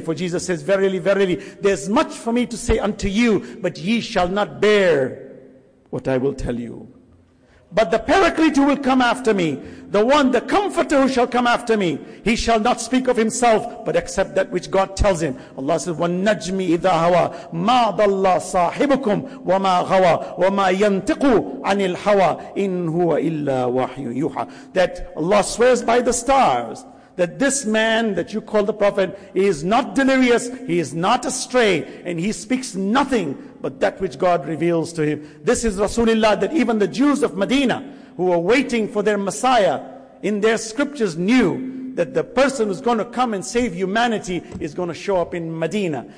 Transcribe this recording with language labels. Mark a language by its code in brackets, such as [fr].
[en] For Jesus says, verily, verily, there's much for me to say unto you, but ye shall not bear what I will tell you. But the paraclete who will come after me, the one, the comforter who shall come after me, he shall not speak of himself, but accept that which God tells him. Allah says, [ar] وَالنَّجْمِ إِذَا هَوَى مَا ضَلَّ صَاحِبُكُمْ وَمَا غَوَى وَمَا يَنْتِقُ عَنِ الْهَوَى إِنْ هُوَ إِلَّا وَحْيٌ يُوحَى. [en] That Allah swears by the stars that this man that you call the prophet is not delirious, he is not astray, and he speaks nothing but that which God reveals to him. This is Rasulullah, that even the Jews of Medina who were waiting for their Messiah in their scriptures knew that the person who's going to come and save humanity is going to show up in Medina.